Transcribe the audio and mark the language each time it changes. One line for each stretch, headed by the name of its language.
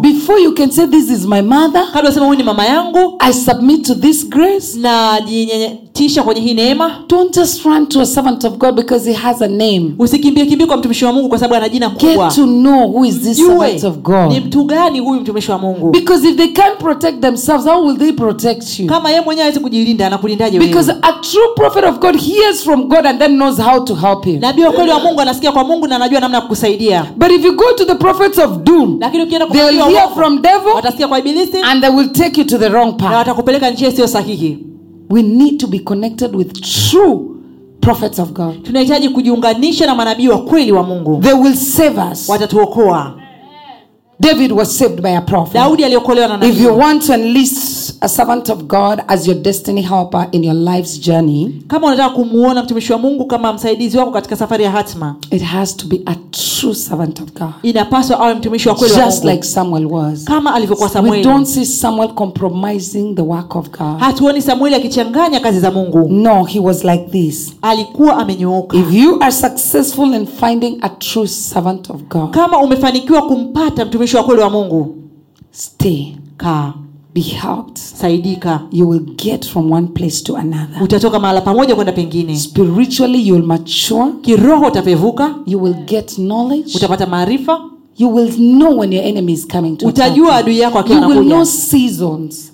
English: Before you can say this is my mother,
Swahili: kabla useme huyu ni mama yangu,
English: I submit to this grace.
Swahili: Na jinyenyekesha kwenye hii neema.
English: Don't just run to a servant of God because he has a name.
Swahili: Usikimbie kimbie kwa mtumishi wa Mungu kwa sababu ana jina kubwa.
English: Get to know who is this servant of God.
Swahili: Mtu gani huyu mtumishi wa Mungu?
English: Because if they can't protect themselves, how will they protect you?
Swahili: Kama yeye mwenyewe hawezi kujilinda, anakulindaje wewe?
English: Because a true prophet of God hears from God and then knows how to help him.
Swahili: Nabii wa kweli wa Mungu anasikia kwa Mungu na anajua namna ya kukusaidia.
English: But if you go to the prophets of doom,
Swahili: lakini ukienda kwa mabii wa Mungu,
English: they hear from devil,
Swahili: watasikia kwa ibilisi,
English: and they will take you to the wrong path.
Swahili: Na watakupeleka njia sio sahihi.
English: We need to be connected with true prophets of God.
Swahili: Tunahitaji kujiunganisha na manabii wa kweli wa Mungu.
English: They will save us.
Swahili: Watatuokoa.
English: David was saved by a prophet.
Swahili: Daudi aliokolewa na nabii.
English: If you want to enlist a servant of God as your destiny helper in your life's journey,
Swahili: kama unataka kumuona mtumishi wa Mungu kama msaidizi wako katika safari ya hatima,
English: it has to be a true servant of God.
Swahili: Inapaswa awe mtumishi wa kweli wa
English: Mungu. Just like Samuel was.
Swahili: Kama alivyokuwa Samuel.
English: We don't see Samuel compromising the work of God.
Swahili: Hatuoni Samuel akichanganya kazi za Mungu.
English: No, he was like this.
Swahili: Alikuwa amenyooka.
English: If you are successful in finding a true servant of God,
Swahili: kama umefanikiwa kumpata mtumishi wa kweli wa Mungu,
English: stay.
Swahili: Kaa.
English: Be helped.
Swahili: Saidika.
English: You will get from one place to another.
Swahili: Utatoka mahala pamoja kwenda pengine.
English: Spiritually you will mature.
Swahili: Kiroho utapevuka.
English: You will get knowledge.
Swahili: Utapata maarifa.
English: You will know when your enemy is coming to
Swahili: utajua adui yako akianakuja.
English: You will know seasons.